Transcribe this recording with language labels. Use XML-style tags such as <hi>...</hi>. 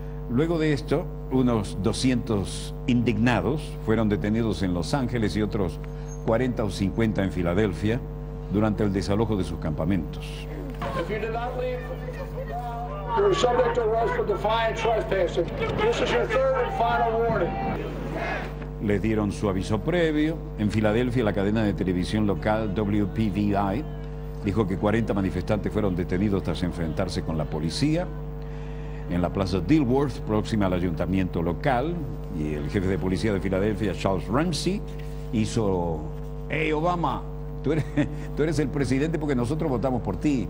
<es>Luego de esto, unos 200 indignados fueron detenidos en Los Ángeles y otros 40 o 50 en Filadelfia durante el desalojo de sus campamentos.</es> <en>You're subject to arrest for defiant trespassing. This is your third and final warning.</en> <es>Les dieron su aviso previo. En Filadelfia, la cadena de televisión local WPVI dijo que 40 manifestantes fueron detenidos tras enfrentarse con la policía. En la plaza Dilworth, próxima al ayuntamiento local, y el jefe de policía de Filadelfia, Charles Ramsey, hizo: "Hey, Obama, tú eres el presidente porque nosotros votamos por ti.</es>